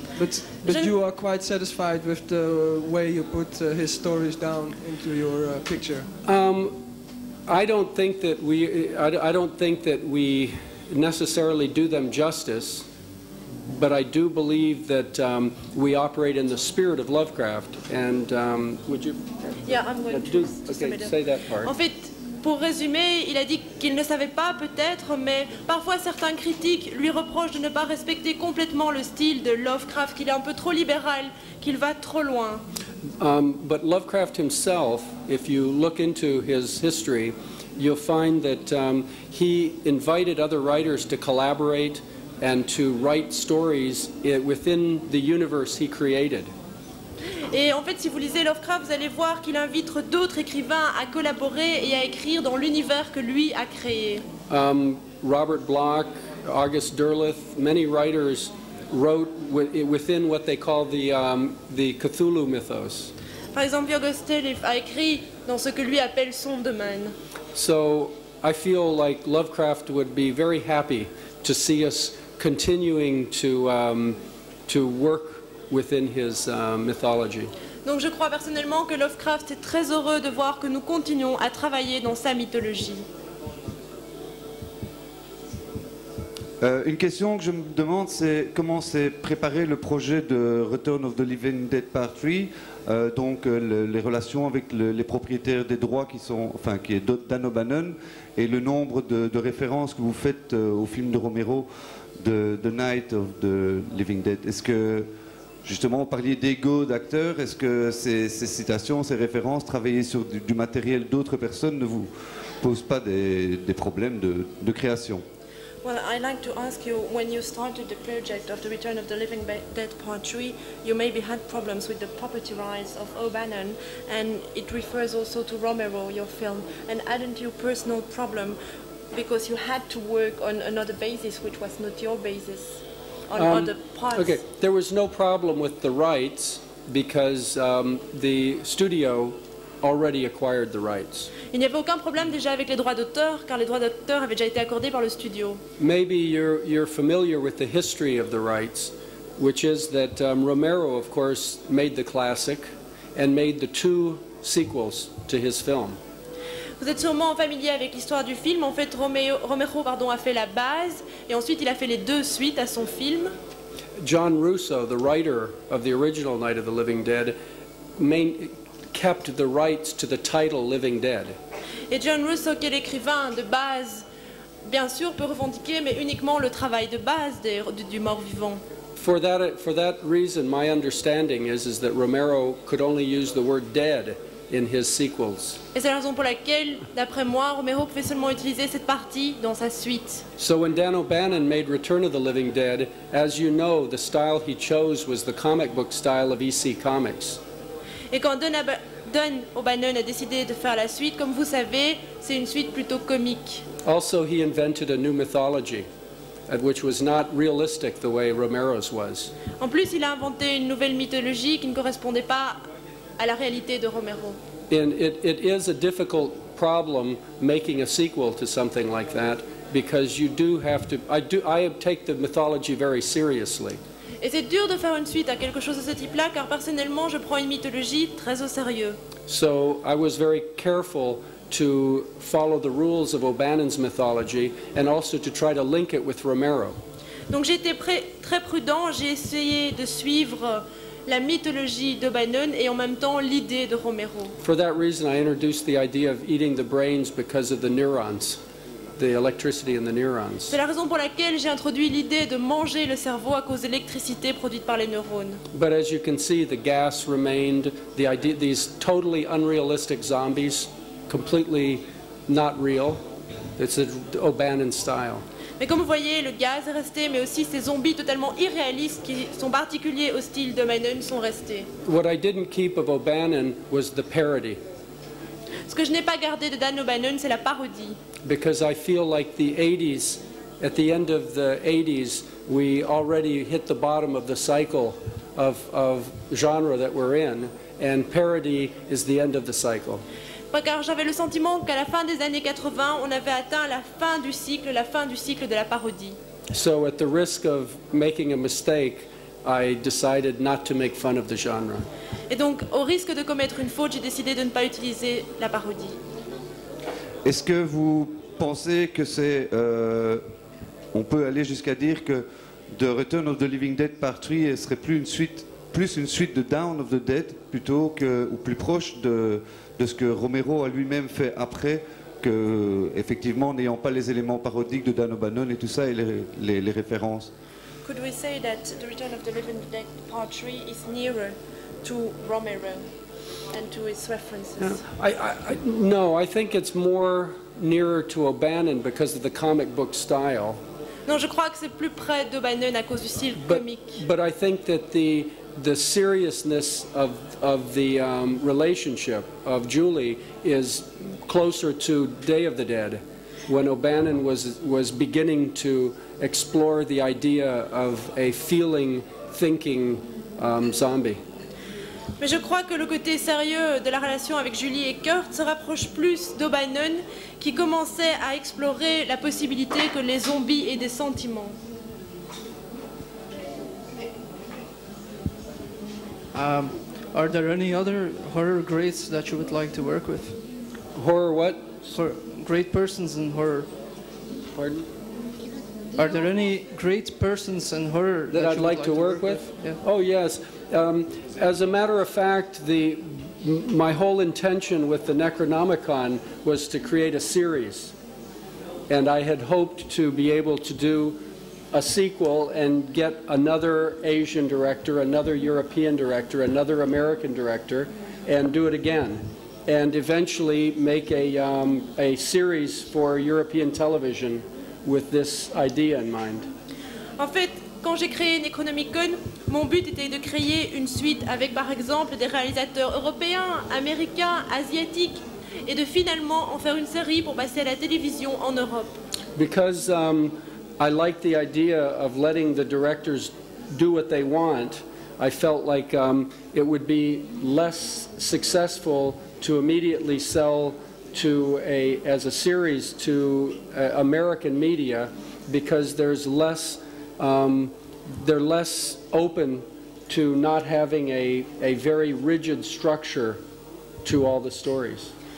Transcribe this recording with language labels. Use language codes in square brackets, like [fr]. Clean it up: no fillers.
[en] But you are quite satisfied with the way you put his stories down into your picture. I don't think that we necessarily do them justice, but I do believe that we operate in the spirit of Lovecraft. And would you? Yeah, I'm going to say that part. [fr] En fait, pour résumer, il a dit qu'il ne savait pas peut-être, mais parfois certains critiques lui reprochent de ne pas respecter complètement le style de Lovecraft, qu'il est un peu trop libéral, qu'il va trop loin. [en] But Lovecraft himself, if you look into his history, you'll find that he invited other writers to collaborate and to write stories within the universe he created. [fr] Et en fait, si vous lisez Lovecraft, vous allez voir qu'il invite d'autres écrivains à collaborer et à écrire dans l'univers que lui a créé. [en] Robert Bloch, August Derleth, many writers wrote within what they call the Cthulhu mythos. [fr] Par exemple, August Derleth a écrit dans ce que lui appelle son domaine. [en] So I feel like Lovecraft would be very happy to see us continuing to work within his mythology. [fr] Donc je crois personnellement que Lovecraft est très heureux de voir que nous continuons à travailler dans sa mythologie. Une question que je me demande, c'est comment s'est préparé le projet de Return of the Living Dead Part 3, donc les relations avec les propriétaires des droits qui est Dan O'Bannon, et le nombre de références que vous faites au film de Romero, The Night of the Living Dead. Est-ce que justement, vous parliez d'ego d'acteur. Est-ce que ces citations, ces références, travailler sur du matériel d'autres personnes ne vous posent pas des problèmes de création? [en] Well, I'd like to ask you, when you started the project of the Return of the Living Dead Part 3, you maybe had problems with the property rights of O'Bannon, and it refers also to Romero, your film. And hadn't you personal problem because you had to work on another basis which was not your basis? Okay, there was no problem with the rights because the studio already acquired the rights. [fr] Il n'y avait aucun problème déjà avec les droits d'auteur car les droits d'auteur avaient déjà été accordés par le studio. [en] Maybe you're familiar with the history of the rights, which is that Romero, of course, made the classic and made the two sequels to his film. [fr] Vous êtes sûrement familier avec l'histoire du film. En fait, Romero a fait la base et ensuite il a fait les deux suites à son film. [en] John Russo, the writer of the original Night of the Living Dead, kept the rights to the title Living Dead. [fr] Et John Russo, qui est l'écrivain de base, bien sûr, peut revendiquer, mais uniquement le travail de base du mort-vivant. [en] For that reason, my understanding is that Romero could only use the word dead in his sequels. [fr] Et c'est la raison pour laquelle, d'après moi, Romero pouvait seulement utiliser cette partie dans sa suite. [en] So when Dan O'Bannon made Return of the Living Dead, as you know, the style he chose was the comic book style of EC Comics. [fr] Et quand Dan O'Bannon a décidé de faire la suite, comme vous savez, c'est une suite plutôt comique. [en] Also, he invented a new mythology, which was not realistic the way Romero's was. [fr] En plus, il a inventé une nouvelle mythologie qui ne correspondait pas à la réalité de Romero. [en] And it is a difficult problem making a sequel to something like that because you do have to. I take the mythology very seriously. [fr] Et c'est dur de faire une suite à quelque chose de ce type-là car personnellement je prends une mythologie très au sérieux. [en] So I was very careful to follow the rules of O'Bannon's mythology and also to try to link it with Romero. [fr] Donc j'étais très prudent. J'ai essayé de suivre la mythologie de Bannon et en même temps l'idée de Romero. [en] For that reason, I introduced the idea of eating the brains because of the neurons, the electricity in the neurons. [fr] C'est la raison pour laquelle j'ai introduit l'idée de manger le cerveau à cause de l'électricité produite par les neurones. [en] But as you can see, the gas remained. These totally unrealistic zombies, completely not real. It's O'Bannon style. [fr] Mais comme vous voyez, le gaz est resté, mais aussi ces zombies totalement irréalistes qui sont particuliers au style de Bannon sont restés. [en] What I didn't keep of O'Bannon was the parody. [fr] Ce que je n'ai pas gardé de Dan O'Bannon, c'est la parodie. [en] Because I feel like the 80s At the end of the 80s, we already hit the bottom of the cycle of genre that we're in, and parody is the end of the cycle. [fr] Car j'avais le sentiment qu'à la fin des années 80, on avait atteint la fin du cycle de la parodie. [en] So at the risk of making a mistake, I decided not to make fun of the genre. [fr] Et donc, au risque de commettre une faute, j'ai décidé de ne pas utiliser la parodie. Est-ce que vous pensez que c'est... on peut aller jusqu'à dire que The Return of the Living Dead Part 3 serait plus une suite de Dawn of the Dead plutôt que, ou plus proche de ce que Romero a lui-même fait après, que, effectivement, n'ayant pas les éléments parodiques de Dan O'Bannon et tout ça, et les références. [en] Could we say that The Return of the Living Dead Part 3 is nearer to Romero and to his references? I think it's more nearer to O'Bannon because of the comic book style. [fr] Non, je crois que c'est plus près d'O'Bannon à cause du style comique. [en] But I think that the seriousness of the relationship of Julie is closer to Day of the Dead, when O'Bannon was beginning to explore the idea of a feeling, thinking zombie. [fr] Mais je crois que le côté sérieux de la relation avec Julie et Kurt se rapproche plus d'O'Bannon, qui commençait à explorer la possibilité que les zombies aient des sentiments. [en] Are there any other horror greats that you would like to work with? Horror what? Great persons in horror. [fr] Pardon? [en] Are there any great persons in horror that I'd like to work with? Yeah. Oh, yes. As a matter of fact, my whole intention with the Necronomicon was to create a series. And I had hoped to be able to do a sequel and get another Asian director, another European director, another American director, and do it again, and eventually make a series for European television with this idea in mind. [fr] En fait, quand j'ai créé Necronomicon, mon but était de créer une suite avec, par exemple, des réalisateurs européens, américains, asiatiques, et de finalement en faire une série pour passer à la télévision en Europe. [en] Because I like the idea of letting the directors do what they want. I felt like it would be less successful to immediately sell as a series to American media, because there's less they're less open to not having a very rigid structure to all the stories.